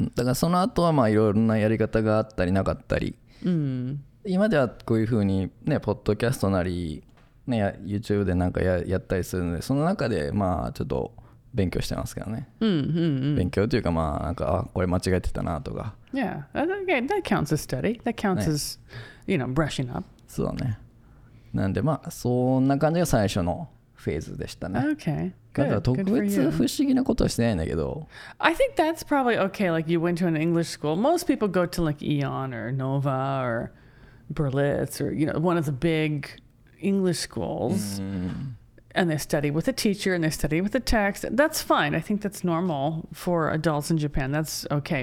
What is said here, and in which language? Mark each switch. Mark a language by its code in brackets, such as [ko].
[ja] だからその後はまあいろいろなやり方があったりなかったり。 [en] Mm-hmm. [ja] 今ではこういうふうにね、ポッドキャストなり、ね、YouTube でなんか やったりするので、その中でまあちょっと勉強してますけどね。 [en] Mm-hmm. [ja] 勉強というかまあなんか、あ、これ間違えてたなとか。 [en] Yeah, okay. That counts as study. That counts as、ね、you know, brushing up. [ja] そうね。なんでまあそんな感じが最初のフェーズでしたね。 [en] Okay. Good. [ja] だから特別不思議なことはしてないんだけど。 [en] I think that's probably okay. Like you went to an English school. Most people go to like Eon or Nova or Berlitz or you know one of the big English schools. And they study with a teacher and they study with a text. That's fine. I think that's normal for adults in Japan. That's okay.